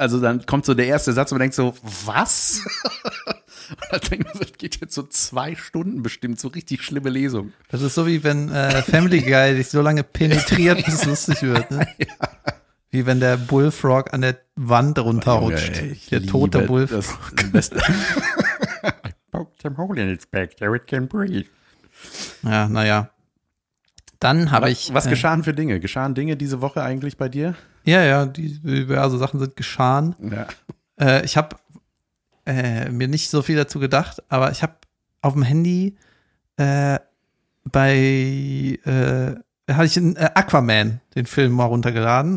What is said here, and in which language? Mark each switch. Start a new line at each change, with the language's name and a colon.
German: Also dann kommt so der erste Satz und man denkt so, was? Und dann denkt man so, das geht jetzt so 2 Stunden bestimmt, so richtig schlimme Lesung. Das ist so wie wenn Family Guy dich so lange penetriert, bis es lustig wird. Ne? Ja. Wie wenn der Bullfrog an der Wand runterrutscht. Ich der tote Bullfrog.
English: I poked him hole in its back, there it can breathe.
German: Ja, naja. Dann habe ich. Was geschahen für Dinge? Geschahen Dinge diese Woche eigentlich bei dir? Ja, ja, diverse Sachen sind geschahen. Ja. Ich habe mir nicht so viel dazu gedacht, aber ich habe auf dem Handy hatte ich einen Aquaman, den Film, mal runtergeladen.